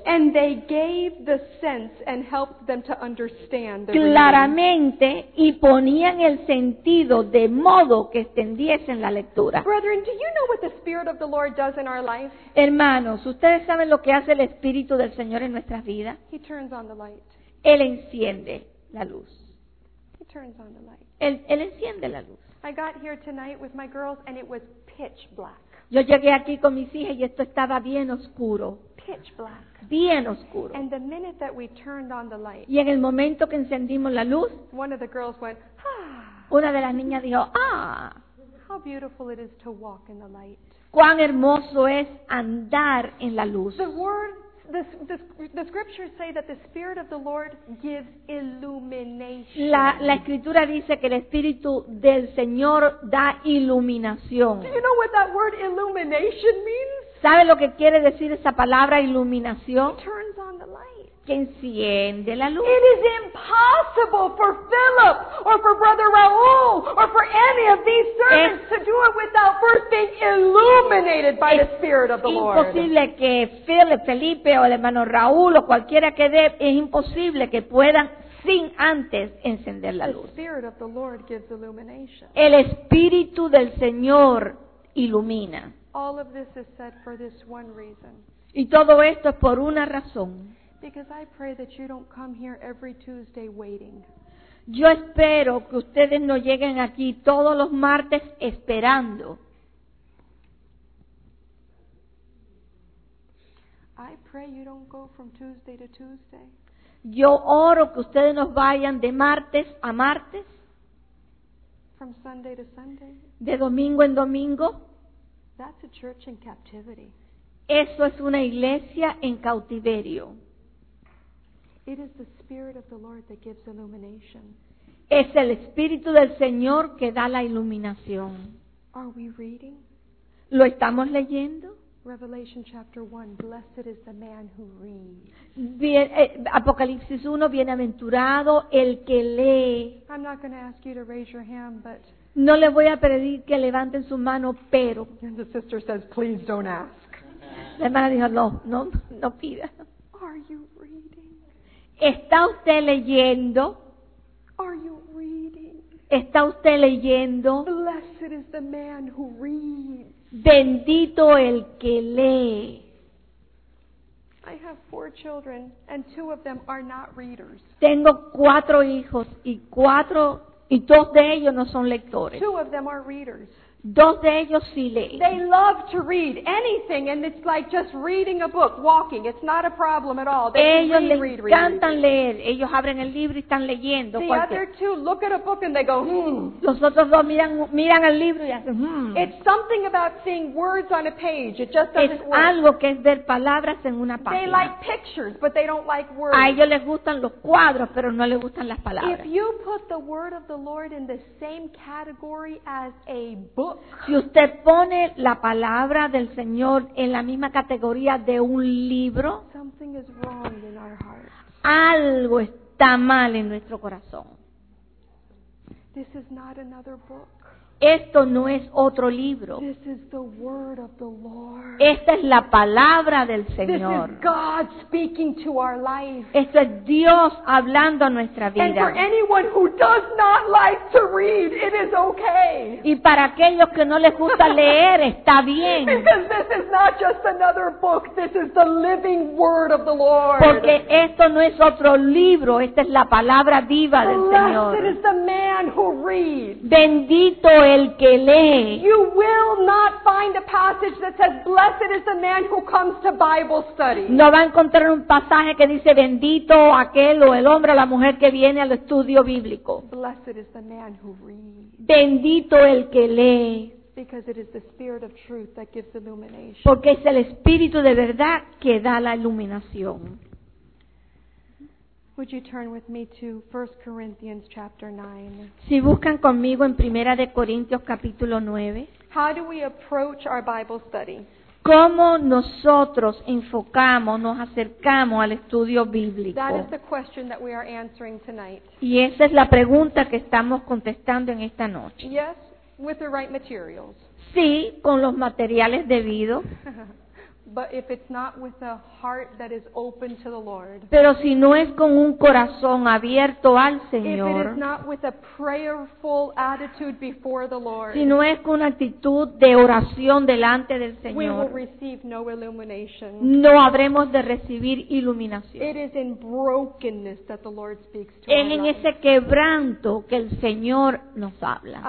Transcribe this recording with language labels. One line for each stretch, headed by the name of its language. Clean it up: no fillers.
English: And they gave the sense and helped them to understand.
Spanish: Claramente y ponían el sentido de modo que entendiesen la lectura.
English: Brethren, do you know what the Spirit of the Lord does in our life?
Spanish: Hermanos, ¿ustedes saben lo que hace el Espíritu del Señor en nuestras vidas?
English: He turns on the light.
Spanish: Él enciende la luz.
English: He turns on the light.
Spanish: Él enciende la luz.
English: I got here tonight with my girls and it was pitch black.
Spanish: Yo llegué aquí con mis hijas y esto estaba bien oscuro.
English: Pitch black.
Spanish: Bien oscuro.
English: And the minute that we turned on the light.
Spanish: Y en el momento que encendimos la luz,
English: one of the girls went, ah.
Spanish: Una de las niñas dijo, ah.
English: How beautiful it is to walk in the light.
Spanish: Cuán hermoso es andar en la luz.
English: The scriptures say that the Spirit of the Lord gives illumination.
Spanish: La escritura dice que el Espíritu del Señor da iluminación.
English: Do you know what that word illumination means?
Spanish: ¿Sabe lo que quiere decir esa palabra iluminación?
English: It turns on the light.
Spanish: Que enciende la luz.
English: It is impossible for Philip or for Brother Raúl or for any of these servants to do it without first being illuminated by the Spirit of the Lord.
Spanish: Es imposible que Felipe o el hermano Raúl o cualquiera que dé, es imposible que puedan sin antes encender la luz.
English: The Spirit of the Lord gives illumination.
Spanish: El Espíritu del Señor ilumina.
English: All of this is said for this one reason.
Spanish: Y todo esto es por una razón.
English: Because I pray that you don't come here every Tuesday waiting.
Spanish: Yo espero que ustedes no lleguen aquí todos los martes esperando.
English: I pray you don't go from Tuesday to Tuesday.
Spanish: Yo oro que ustedes no vayan de martes a martes.
English: From Sunday to Sunday.
Spanish: De domingo en domingo.
English: That's a church in captivity.
Spanish: Eso es una iglesia en cautiverio.
English: It is the Spirit of the Lord that gives illumination.
Spanish: Es el Espíritu del Señor que da la iluminación.
English: Are we reading?
Spanish: ¿Lo estamos leyendo?
English: Revelation chapter 1, blessed is the man who reads.
Spanish: Apocalipsis 1, bienaventurado el que lee.
English: I'm not going to ask you to raise your hand, but...
Spanish: No le voy a pedir que levanten su mano, pero...
English: And the sister says, please don't ask.
Spanish: La hermana dijo, no pida.
English: Are you reading?
Spanish: ¿Está usted leyendo?
English: Are you reading?
Spanish: ¿Está usted leyendo?
English: Blessed is the man who reads.
Spanish: Bendito el que lee.
English: I have 4 children and 2 of them are not readers.
Spanish: Tengo 4 hijos y 4 y 2 de ellos no son lectores.
English: 2 of them are readers.
Spanish: Dos de ellos sí leen.
English: They love to read anything, and it's like just reading a book, walking. It's not a problem at all. They
Spanish: ellos
English: read,
Spanish: les encantan
English: read, read,
Spanish: leer. Ellos abren el libro y están leyendo.
English: The other two look at a book and they go, hmm.
Spanish: Los otros dos miran el libro y hacen, hmm.
English: It's something about seeing words on a page. It just doesn't work.
Spanish: Es algo que es ver palabras en una página.
English: They like pictures, but they don't like words.
Spanish: A ellos les gustan los cuadros, pero no les gustan las palabras.
English: If you put the word of the Lord in the same category as a book,
Spanish: si usted pone la palabra del Señor en la misma categoría de un libro,
English: something is wrong in our heart.
Spanish: Algo está mal en nuestro corazón.
English: This is not another book.
Spanish: Esto no es otro libro.
English: This is the word of the Lord.
Spanish: Esta es la palabra del Señor.
English: This is God speaking to our life.
Spanish: Esto es Dios hablando a nuestra vida.
English: And for anyone who does not like to read, it is okay.
Spanish: Y para aquellos que no les gusta leer, está bien.
English: Because this is not just another book. This is the living word of the Lord.
Spanish: Porque esto no es otro libro. Esta es la palabra viva del Señor.
English: Blessed is the man who reads.
Spanish: Bendito el que lee.
English: You will not find a passage that says blessed is the man who comes to Bible study.
Spanish: No va a encontrar un pasaje que dice bendito aquel o el hombre o la mujer que viene al estudio bíblico.
English: Blessed is the man who reads.
Spanish: Bendito el que lee.
English: Because it is the spirit of truth that gives illumination.
Spanish: Porque es el espíritu de verdad que da la iluminación.
English: Would you turn with me to 1 Corinthians chapter 9?
Spanish: Si buscan conmigo en Primera de Corintios capítulo 9.
English: How do we approach our Bible study?
Spanish: ¿Cómo nosotros enfocamos, nos acercamos al estudio bíblico?
English: That is the question that we are answering tonight.
Spanish: Y esa es la pregunta que estamos contestando en esta noche.
English: Yes, with the right materials.
Spanish: Sí, con los materiales debidos.
English: But if it's not with a heart that is open to the Lord.
Spanish: Pero si no es con un corazón abierto al Señor.
English: If it is not with a prayerful attitude before the Lord.
Spanish: Si no es con una actitud de oración delante del Señor.
English: We will receive no illumination.
Spanish: No habremos de recibir iluminación.
English: It is in brokenness that the Lord speaks to us.
Spanish: Es en ese quebranto que el Señor nos habla.